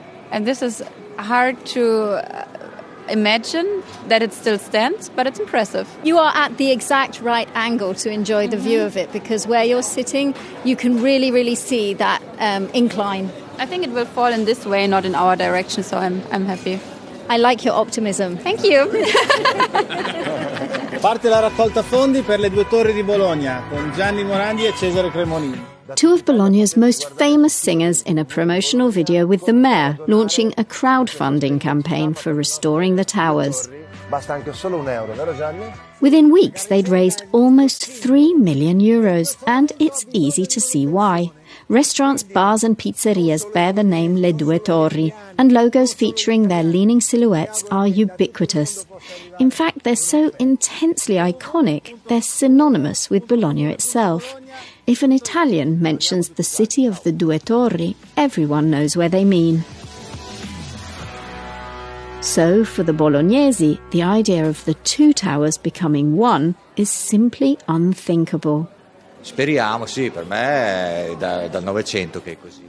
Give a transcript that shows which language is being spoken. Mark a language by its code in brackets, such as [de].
[en] And this is hard to imagine that it still stands, but it's impressive. You are at the exact right angle to enjoy the view of it, because where you're sitting, you can really, really see that incline. I think it will fall in this way, not in our direction, so I'm happy. I like your optimism. Thank you. [it] Parte la raccolta fondi per le due torri di Bologna con Gianni Morandi e Cesare Cremonini. [en] Two of Bologna's most famous singers in a promotional video with the mayor launching a crowdfunding campaign for restoring the towers. Within weeks, they'd raised almost 3 million euros, and it's easy to see why. Restaurants, bars and pizzerias bear the name Le Due Torri, and logos featuring their leaning silhouettes are ubiquitous. In fact, they're so intensely iconic, they're synonymous with Bologna itself. If an Italian mentions the city of the Due Torri, everyone knows where they mean. So for the Bolognese, the idea of the two towers becoming one is simply unthinkable. [it] Speriamo, sì, per me dal Novecento che è così.